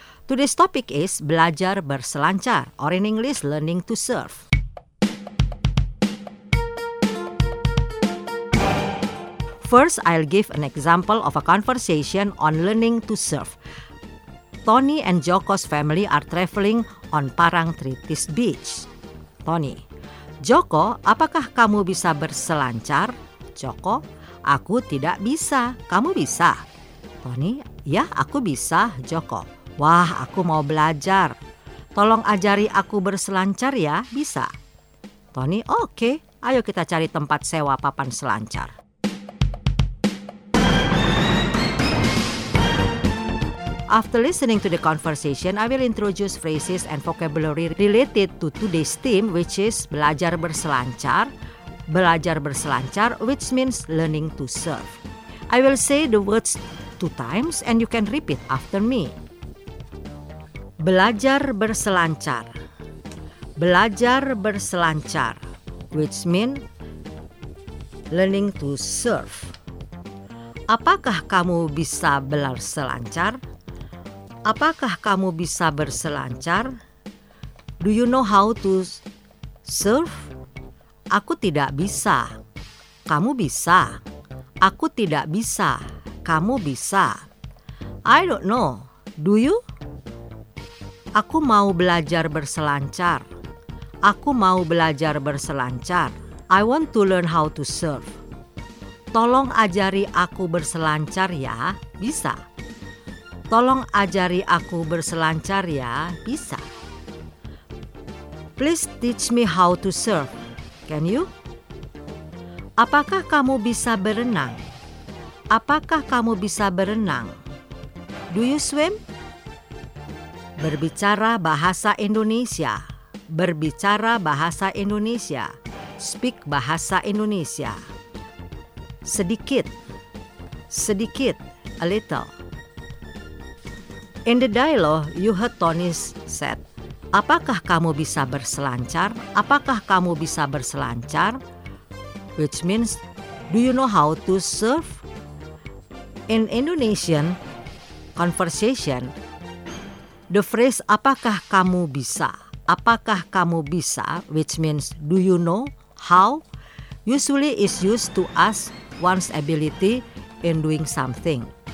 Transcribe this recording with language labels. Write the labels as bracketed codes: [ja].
[en] Today's topic is [id] Belajar Berselancar, [en] or in English, Learning to Surf. First, I'll give an example of a conversation on learning to surf. Tony and Joko's family are traveling on Parang Tritis Beach. [id] Tony: Joko, apakah kamu bisa berselancar? Joko: Aku tidak bisa. Kamu bisa? Tony: Ya, aku bisa. Joko: Wah, aku mau belajar. Tolong ajari aku berselancar ya, bisa? Tony: Oke, ayo kita cari tempat sewa papan selancar. [en] After listening to the conversation, I will introduce phrases and vocabulary related to today's theme, which is [id] belajar berselancar. [en] Belajar berselancar, which means learning to surf. I will say the words 2 times and you can repeat after me. [id] Belajar berselancar. Belajar berselancar, [en] which means learning to surf. [id] Apakah kamu bisa berselancar? Apakah kamu bisa berselancar? [en] Do you know how to surf? [id] Aku tidak bisa. Kamu bisa. Aku tidak bisa. Kamu bisa. [en] I don't know. Do you? [id] Aku mau belajar berselancar. Aku mau belajar berselancar. [en] I want to learn how to surf. [id] Tolong ajari aku berselancar ya. Bisa. Tolong ajari aku berselancar ya, bisa. [en] Please teach me how to surf, can you? [id] Apakah kamu bisa berenang? Apakah kamu bisa berenang? [en] Do you swim? [id] Berbicara bahasa Indonesia. Berbicara bahasa Indonesia. [en] Speak bahasa Indonesia. [id] Sedikit. [en] Sedikit, a little. In the dialogue, you heard Tony said, [id] apakah kamu bisa berselancar? Apakah kamu bisa berselancar? [en] Which means, do you know how to surf? In Indonesian conversation, the phrase [id] apakah kamu bisa? Apakah kamu bisa? [en] Which means, do you know how? Usually is used to ask one's ability in doing something.